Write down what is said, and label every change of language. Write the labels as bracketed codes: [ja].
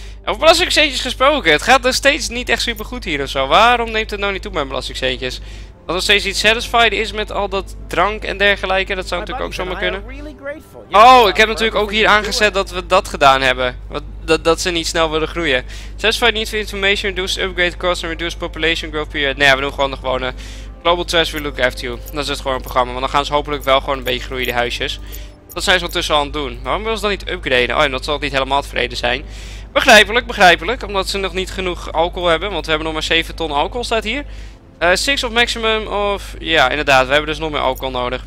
[nl] Over belastingcentjes gesproken, het gaat nog steeds niet echt super goed hier ofzo. Waarom neemt het nou niet toe met belastingcentjes? Dat er steeds iets satisfied is met al dat drank en dergelijke, dat zou natuurlijk ook zomaar kunnen. Oh, ik heb natuurlijk ook hier aangezet dat we dat gedaan hebben. Dat ze niet snel willen groeien. [en] Satisfied need for information, reduce upgrade cost and reduce population growth period. [nl] Nee, we doen gewoon de gewone Global Trust, [en] we look after you. [nl] Dat is het gewoon een programma, want dan gaan ze hopelijk wel gewoon een beetje groeien, die huisjes. Dat zijn ze ondertussen al aan het doen. Waarom willen ze dan niet upgraden? Oh, en dat zal niet helemaal tevreden zijn. Begrijpelijk, begrijpelijk. Omdat ze nog niet genoeg alcohol hebben, want we hebben nog maar 7 ton alcohol staat hier. 6 of maximum of... Ja, inderdaad, we hebben dus nog meer alcohol nodig.